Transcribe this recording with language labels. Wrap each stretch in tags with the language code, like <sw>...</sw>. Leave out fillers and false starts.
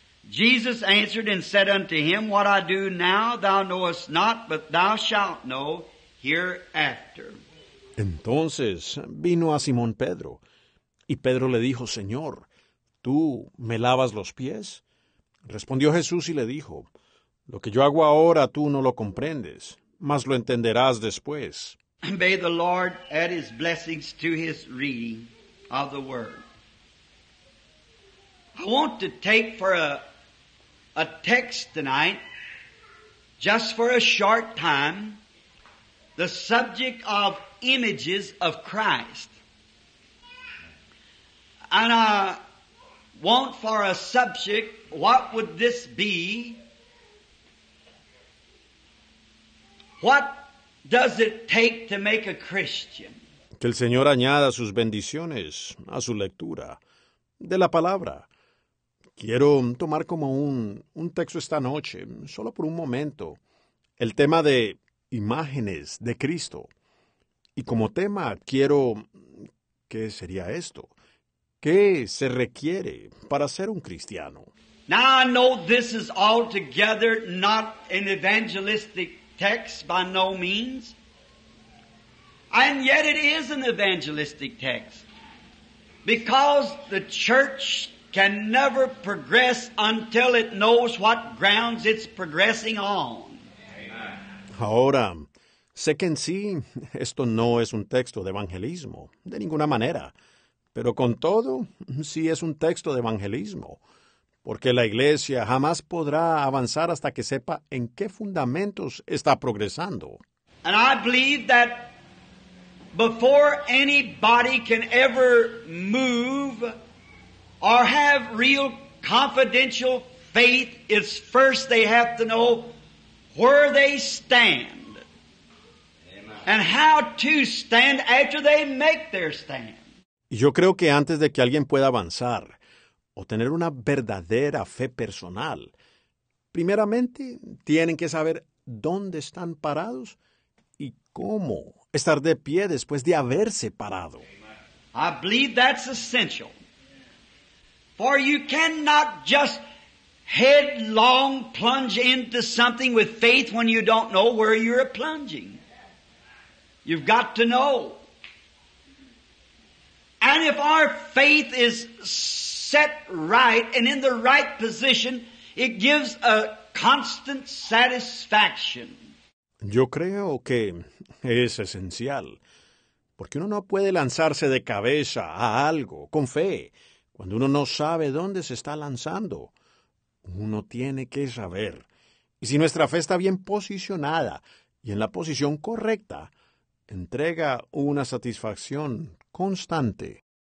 <en>Jesus answered and said unto him, What I do now thou knowest not, but thou shalt know hereafter.</en> <es>Entonces vino a Simón Pedro, y Pedro le dijo, Señor, ¿tú me lavas los pies? Respondió Jesús y le dijo, Lo que yo hago ahora tú no lo comprendes, mas lo entenderás después.</es> <en>May the Lord add his blessings to his reading of the word. I want to take for a text tonight, just for a short time, the subject of images of Christ. And I want for a subject, what would this be? What does it take to make a Christian?</en> <es>Que el Señor añada sus bendiciones a su lectura de la palabra. Quiero tomar como un texto esta noche, solo por un momento, el tema de imágenes de Cristo. Y como tema quiero, ¿qué sería esto? ¿Qué se requiere para ser un cristiano?</es> <en>Now I know this is altogether not an evangelistic text by no means. And yet it is an evangelistic text. Because the church can never progress until it knows what grounds it's progressing on.</en> <es>Ahora, sé que en sí esto no es un texto de evangelismo, de ninguna manera. Pero con todo, sí es un texto de evangelismo. Porque la iglesia jamás podrá avanzar hasta que sepa en qué fundamentos está progresando.</es> <en>And I believe that before anybody can ever move or have real confidential faith, it's first they have to know where they stand. Amen. And how to stand after they make their stand.</en> <es>Yo creo que antes de que alguien pueda avanzar o tener una verdadera fe personal, primeramente tienen que saber dónde están parados y cómo estar de pie después de haberse parado.</es> <en>I believe that's essential. For you cannot just headlong plunge into something with faith when you don't know where you're plunging. You've got to know. And if our faith is set right and in the right position, it gives a constant satisfaction.</en> <es>Yo creo que es esencial, porque uno no puede lanzarse de cabeza a algo con fe. Cuando uno no sabe dónde se está lanzando, uno tiene que saber. Y si nuestra fe está bien posicionada y en la posición correcta, entrega una satisfacción constante.</es>